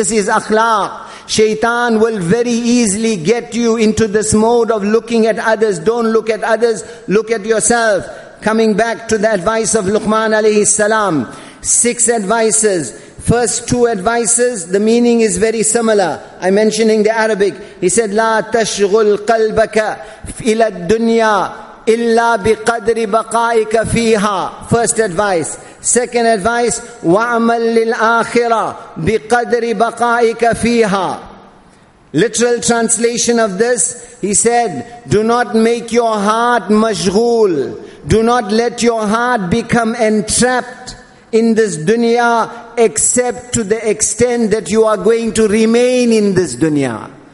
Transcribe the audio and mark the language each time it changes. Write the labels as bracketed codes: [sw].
[en] This is akhlaq. Shaitan will very easily get you into this mode of looking at others. Don't look at others, look at yourself. Coming back to the advice of Luqman alayhi salam, six advices. First two advices, the meaning is very similar. I'm mentioning the Arabic. He said, [ar] لا تشغل قلبك إلى الدنيا إلا بقدر بقائك فيها. [en] First advice. Second advice, [ar] وَعْمَلْ لِلْآخِرَةِ بِقَدْرِ بَقَائِكَ فِيهَا. [en] Literal translation of this, he said, do not make your heart mashghool. Do not let your heart become entrapped in this dunya except to the extent that you are going to remain in this dunya.